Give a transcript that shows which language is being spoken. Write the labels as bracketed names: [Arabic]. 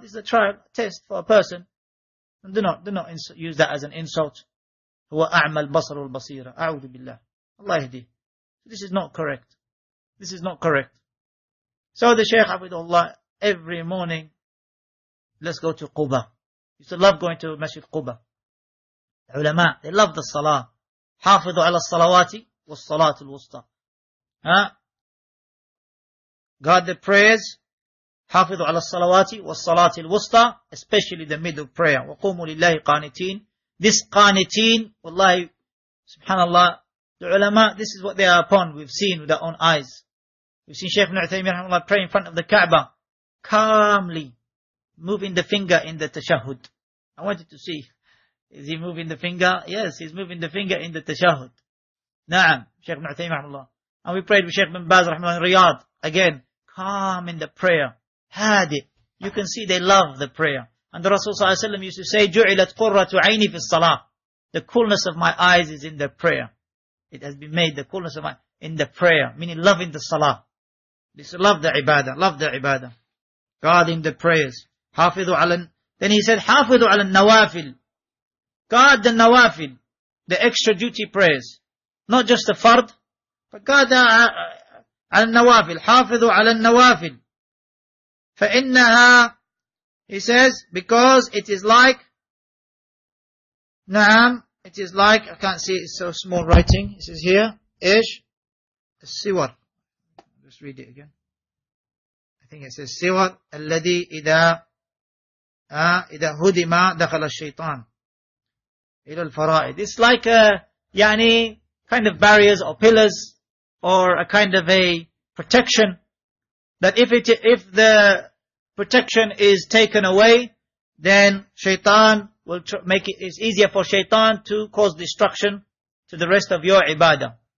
[English] This is a trial, a test for a person. And do not use that as an insult. [Arabic] Huwa a'mal basar wal basira. A'udhu billah. Allah yahdi. [English] This is not correct. [Arabic] This is not correct. [English] So the Shaykh Abdullah, every morning, let's go to Quba. He used to love going to Masjid Quba. The ulama, they love the salah. [Arabic] حافظوا على الصلوات والصلاة الوسطى. [English] Guard the prayers. [Arabic] حافظوا على الصلوات والصلاة الوسطى. [English] Especially the middle prayer. [Arabic] وقوموا لله قانتين. [English] This قانتين, والله, Subhanallah, the ulama, this is what they are upon. We've seen with our own eyes. We've seen Shaykh Ibn Uthaymeen rahimahullah pray in front of the Kaaba, calmly moving the finger in the tashahud. I wanted to see, is he moving the finger? Yes, he's moving the finger in the tashahud. Na'am, Shaykh Ibn Uthaymeen rahimahullah. And we prayed with Shaykh Ibn Baz rahimahullah in Riyadh. Again, calm in the prayer. Had it. You can see they love the prayer. And the Rasul sallallahu alayhi wa sallam used to say, [Arabic] جُعِلَتْ قُرَّةُ عَيْنِي فِي الصَّلَاةِ. [English] The coolness of my eyes is in the prayer. It has been made the coolness of my in the prayer, meaning loving the salah. This love the ibadah, love the ibadah. Guarding the prayers. [Arabic] حافظوا على, [English] then he said, [Arabic] حافظوا على النوافل. [English] Guard the nawafil, the extra duty prayers. Not just the fard, but guard [Arabic] على النوافل. حافظوا على النوافل. [English] فإنها, he says, because it is like, نعم, it is like, I can't see, it's so small writing. It says here, ish, siwar. Let's read it again. I think it says, siwar, [Arabic] الذي إذا هدم دخل الشيطان إلى الفرائد. [English] It's like a, يعني, kind of barriers or pillars, or a kind of a protection, that if the protection is taken away, then shaitan will make it, it's easier for shaitan to cause destruction to the rest of your ibadah.